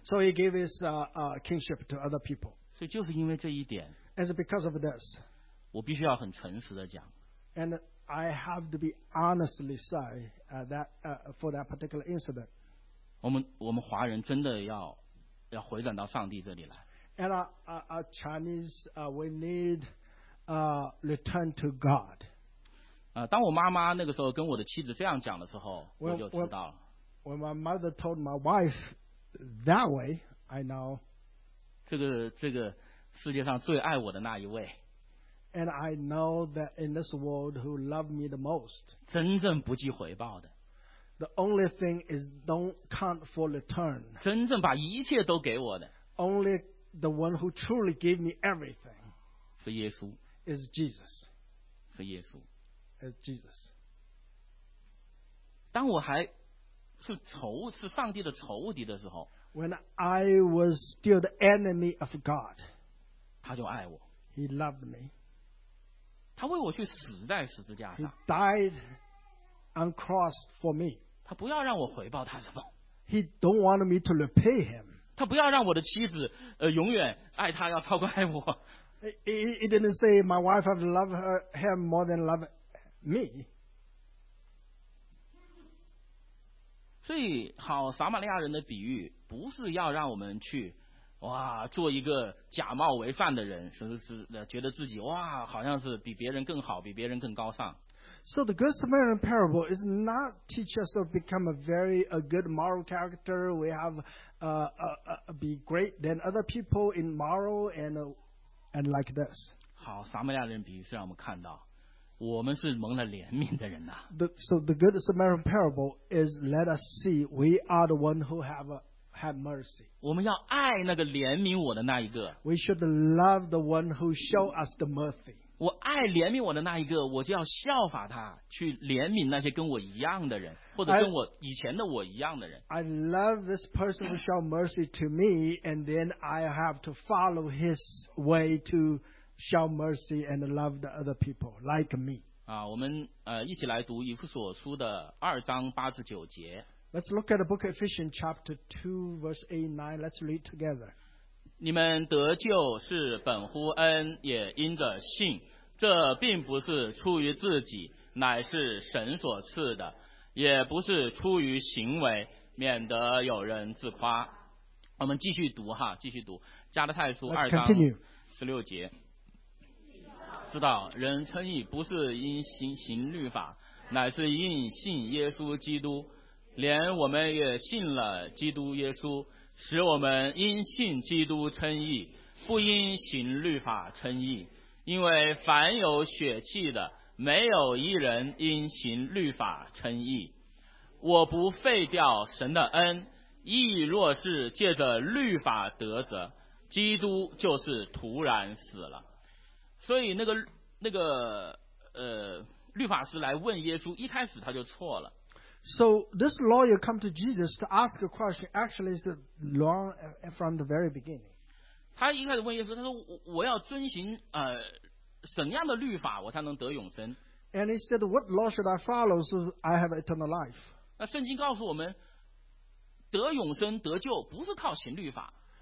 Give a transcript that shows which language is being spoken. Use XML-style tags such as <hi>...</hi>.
<en>So he gave his kingship to other people.</en> <zh>所以就是因为这一点。</zh> <en>It's because of this.</en> <zh>我必须要很诚实的讲。</zh> <en>And I have to be honestly say,for that particular incident.</en> <zh>我们华人真的要回转到上帝这里来。</zh> <en>And our Chinese, we need return to God.</en> <zh>当我妈妈那个时候跟我的妻子这样讲的时候，</zh> <en>when,</en> <zh>我就知道了。</zh> <en>When my mother told my wife that way, I know.</en> <zh>这个世界上最爱我的那一位。</zh> <en>And I know that in this world who loved me the most.</en> <zh>真正不计回报的。</zh> <en>The only thing is don't count for return.</en> <zh>真正把一切都给我的。</zh> <en>Only the one who truly gave me everything.</en> <zh>是耶稣。</zh> <en>Is Jesus.</en> <zh>是耶稣。</zh> <en>Is Jesus.</en> <zh>当我还是仇，是上帝的仇敌的时候。</zh> <en>When I was still the enemy of God.</en> <zh>他就爱我。</zh> <en>He loved me.</en> <zh>他为我去死在十字架上。</zh> <en>He died on cross for me.</en> <zh>他不要让我回报他什么。</zh> <en>He don't want me to repay him.</en> <zh>他不要让我的妻子永远爱他要超过爱我。</zh> <en>He didn't say my wife have loved her, him more than love me.</en> <zh>所以好撒玛利亚人的比喻不是要让我们去哇，做一个假冒为善的人，是觉得自己哇，好像是比别人更好，比别人更高尚。</zh> <en>So the Good Samaritan parable is not teach us to become a good moral character. We have be great than other people in moral and like this.</en> <zh>好，撒玛利亚人比喻是让我们看到，我们是蒙了怜悯的人呐。</zh> <en>So the Good Samaritan parable is let us see we are the one who have Have mercy.</en> <zh>我们要爱那个怜悯我的那一个。</zh> <en>We should love the one who show us the mercy.</en> <zh>我爱怜悯我的那一个，我就要效法他，去怜悯那些跟我一样的人，或者跟我以前的我一样的人。</zh> <en>I love this person who show mercy to me, and then I have to follow his way to show mercy and love the other people like me.</en> <zh>啊，我们一起来读以弗所书的二章八至九节。</zh> <en>Let's look at the book of Ephesians chapter 2 verse 8 9. Let's read together.</en> <zh>你们得救是本乎恩，也因着信，这并不是出于自己，乃是神所赐的，也不是出于行为，免得有人自夸。我们继续读哈，继续读加拉太书二章十六节。知道人称义不是因行律法，乃是因信耶稣基督。连我们也信了基督耶稣，使我们因信基督称义，不因行律法称义。因为凡有血气的，没有一人因行律法称义。我不废掉神的恩，义若是借着律法得者，基督就是徒然死了。所以那个律法师来问耶稣，一开始他就错了。</zh> <en>So this lawyer come to Jesus to ask a question. Actually, it's long from the very beginning.</en> <zh>他一开始问耶稣，他说我要遵行怎样的律法我才能得永生。</zh> <en>And he said, "What law should I follow so I have eternal life?"</en> <zh>那圣经告诉我们，得永生得救不是靠行律法。</zh>